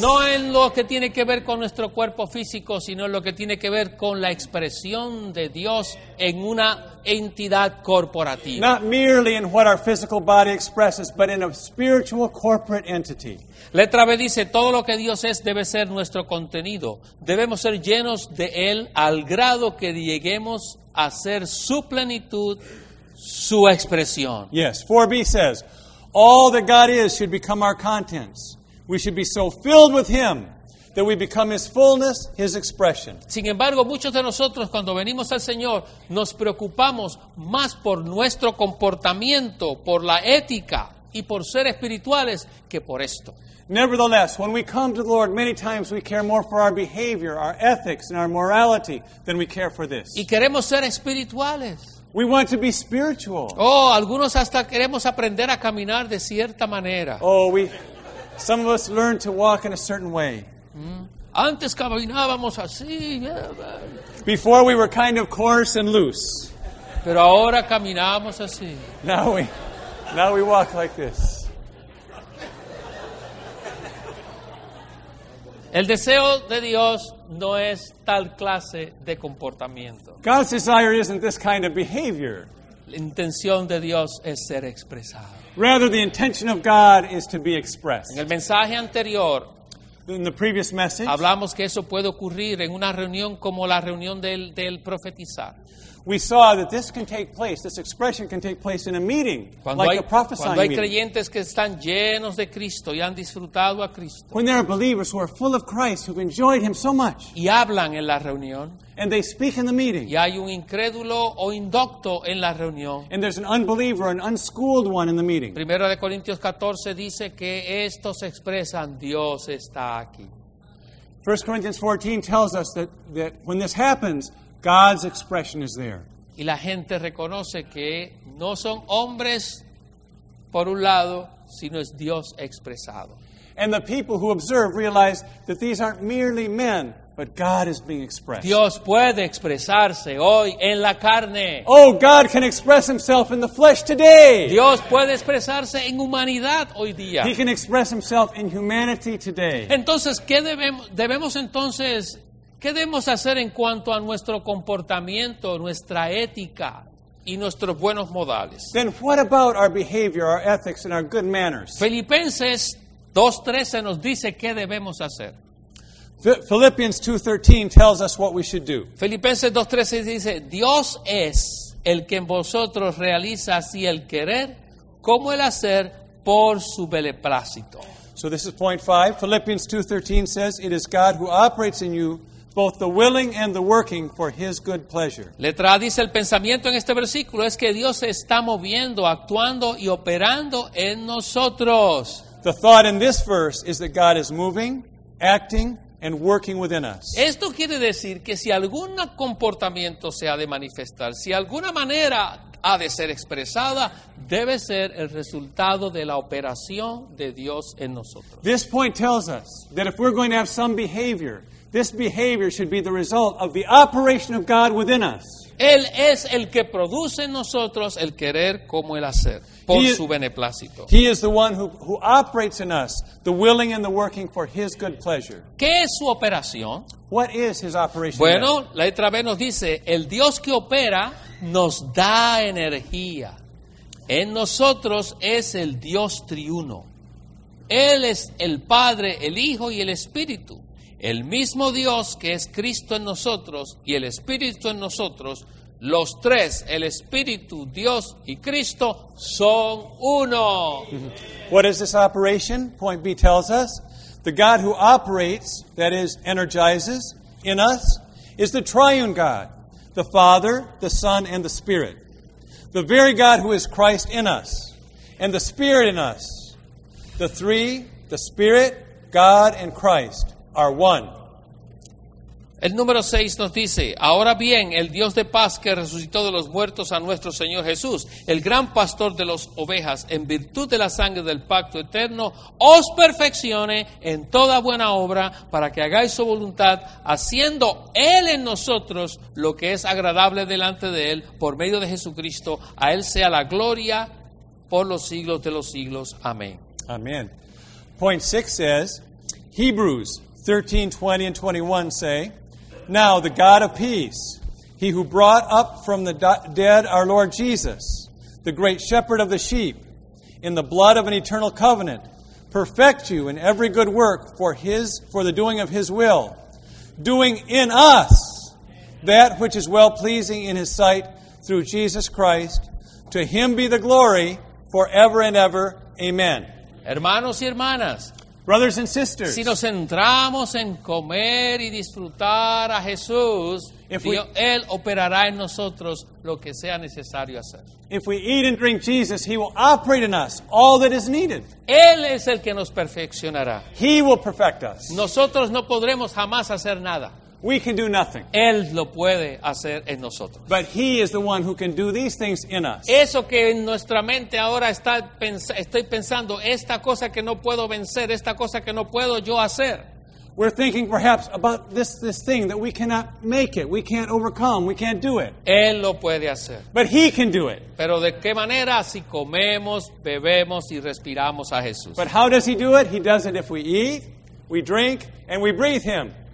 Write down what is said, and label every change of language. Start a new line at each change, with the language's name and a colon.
Spanish: No en lo que tiene que ver con nuestro cuerpo físico, sino en lo que tiene que ver con la expresión de Dios en una entidad corporativa.
English: Not merely in what our physical body expresses, but in a spiritual corporate entity.
Spanish: Letra B dice, todo lo que Dios es debe ser nuestro contenido. Debemos ser llenos de Él al grado que lleguemos a ser su plenitud, su expresión.
English: Yes, 4B says, all that God is should become our contents. We should be so filled with Him that we become His fullness, His expression.
Spanish: Sin embargo, muchos de nosotros cuando venimos al Señor nos preocupamos más por nuestro comportamiento, por la ética y por ser espirituales que por esto.
English: Nevertheless, when we come to the Lord, many times we care more for our behavior, our ethics, and our morality than we care for this.
Spanish: Y queremos ser espirituales.
English: We want to be spiritual.
Spanish: Oh, algunos hasta queremos aprender a caminar de cierta manera.
English: Oh, some of us learn to walk in a certain way.
Spanish: Antes caminábamos así.
English: Before we were kind of coarse and loose.
Spanish: Pero ahora caminamos así.
English: Now we walk like this.
Spanish: El deseo de Dios no es tal clase de comportamiento.
English: God's desire isn't this kind of behavior.
Spanish: La intención de Dios es ser expresado.
English: Rather, the intention of God is to be expressed.
Spanish: En el mensaje anterior,
English: in the previous message.
Spanish: Hablamos que eso puede ocurrir en una reunión como la reunión del profetizar.
English: We saw that this can take place, this expression can take place in a meeting,
Spanish: cuando
English: like
Spanish: hay,
English: a prophesying meeting.
Spanish: Cuando hay creyentes que están llenos de Cristo y han disfrutado a Cristo.
English: When there are believers who are full of Christ, who've enjoyed Him so much.
Spanish: Y hablan en la reunión.
English: And they speak in the meeting.
Spanish: Y hay un incrédulo o indocto en la reunión.
English: And there's an unbeliever, an unschooled one in the meeting.
Spanish: Primero de Corintios 14 dice que estos expresan, Dios está aquí.
English: 1 Corinthians 14 tells us that when this happens, God's expression is there.
Spanish: Y la gente reconoce que no son hombres por un lado, sino es Dios expresado.
English: And the people who observe realize that these aren't merely men, but God is being expressed.
Spanish: Dios puede expresarse hoy en la carne.
English: Oh, God can express Himself in the flesh today.
Spanish: Dios puede expresarse en humanidad hoy día.
English: He can express Himself in humanity today.
Spanish: Entonces, ¿qué debemos entonces? ¿Qué debemos hacer en cuanto a nuestro comportamiento, nuestra ética y nuestros buenos modales?
English: Then what about our behavior, our ethics, and our good manners?
Spanish: Filipenses 2:13 nos dice qué debemos hacer.
English: Philippians 2:13 tells us what we should do.
Spanish: Filipenses 2:13 dice, Dios es el que en vosotros realiza así el querer como el hacer por su beneplácito.
English: So this is point 5. Philippians 2:13 says, it is God who operates in you both the willing and the working for His good pleasure.
Spanish: Letra A dice, el pensamiento en este versículo es que Dios se está moviendo, actuando y operando en nosotros.
English: The thought in this verse is that God is moving, acting, and working within us.
Spanish: Esto quiere decir que si algún comportamiento se ha de manifestar, si alguna manera ha de ser expresada, debe ser el resultado de la operación de Dios en nosotros.
English: This point tells us that if we're going to have some behavior, this behavior should be the result of the operation of God within us.
Spanish: Él es el que produce en nosotros el querer como el hacer, por su beneplácito.
English: He is the one who operates in us, the willing and the working for His good pleasure.
Spanish: ¿Qué es su operación?
English: What is His operation?
Spanish: Bueno, la letra B nos dice, el Dios que opera nos da energía. En nosotros es el Dios triuno. Él es el Padre, el Hijo y el Espíritu. El mismo Dios que es Cristo en nosotros y el Espíritu en nosotros, los tres, el Espíritu, Dios y Cristo, son uno.
English: What is this operation? Point B tells us. The God who operates, that is, energizes in us, is the triune God, the Father, the Son, and the Spirit. The very God who is Christ in us and the Spirit in us, the three, the Spirit, God, and Christ. Are one.
Spanish: El número 6 nos dice, ahora bien, el Dios de paz que resucitó de los muertos a nuestro Señor Jesús, el gran pastor de las ovejas, en virtud de la sangre del pacto eterno, os perfeccione en toda buena obra para que hagáis su voluntad, haciendo Él en nosotros lo que es agradable delante de Él, por medio de Jesucristo, a Él sea la gloria por los siglos de los siglos. Amén. Amén.
English: Point 6 says, Hebrews 13:20 and 21 say, now the God of peace, He who brought up from the dead our Lord Jesus, the great shepherd of the sheep, in the blood of an eternal covenant, perfect you in every good work for the doing of His will, doing in us that which is well-pleasing in His sight through Jesus Christ. To Him be the glory forever and ever. Amen.
Spanish: Hermanos y hermanas,
English: brothers and sisters,
Spanish: si nos centramos en comer y disfrutar a Jesús, Él operará en nosotros lo que sea necesario hacer.
English: If we eat and drink Jesus, He will operate in us all that is needed.
Spanish: Él es el que nos perfeccionará.
English: He will perfect us.
Spanish: Nosotros no podremos jamás hacer nada.
English: We can do nothing.
Spanish: Él lo puede hacer en nosotros.
English: But He is the one who can do these things in us.
Spanish: Eso que en nuestra mente ahora estoy pensando, esta cosa que no puedo vencer, esta cosa que no puedo yo hacer.
English: We're thinking perhaps about this thing that we cannot make it, we can't overcome, we can't do it.
Spanish: Él lo puede hacer.
English: But He can do it.
Spanish: Pero de qué manera si comemos, bebemos y respiramos a Jesús.
English: But how does He do it? He does it if we eat, we drink, and we breathe Him.